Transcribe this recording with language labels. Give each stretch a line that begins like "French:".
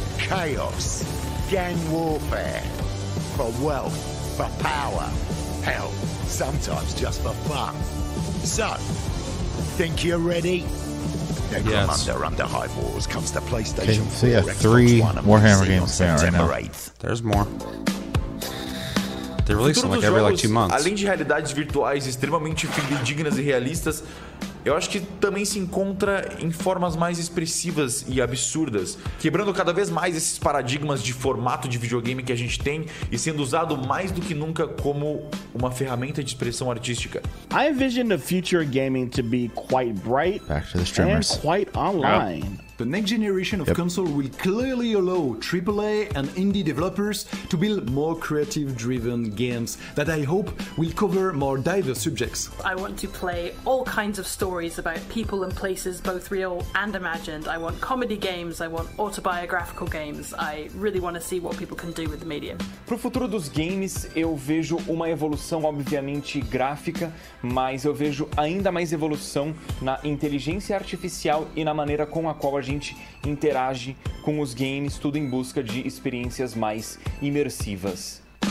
English: Chaos. Gang warfare. For wealth. For power. Hell, sometimes just for fun. So, think you're ready? Necromunda under Hive Wars comes to PlayStation 4. So yeah, three Warhammer games there right now. 8th. There's more. They release them like every like 2 months.
Portuguese: Além de realidades virtuais extremamente fidedignas e realistas, eu acho que também se encontra em formas mais expressivas e absurdas, quebrando cada vez mais esses paradigmas de formato de videogame que a gente tem e sendo usado mais do que nunca como uma ferramenta de expressão artística.
English: I envision the future of gaming to be quite bright and quite online. Yeah. The next generation of console will clearly allow AAA and indie developers to build more creative-driven games that I hope will cover more diverse subjects. I want to play all kinds of stories about people and places, both real and imagined. I want comedy games, I want autobiographical games. I really want to see what people can do with the medium.
Portuguese: Pro futuro dos games, eu vejo uma evolução, obviamente, gráfica, mas eu vejo ainda mais evolução na inteligência artificial e na maneira com a qual a gente interage com os games, tudo em busca de experiências mais imersivas.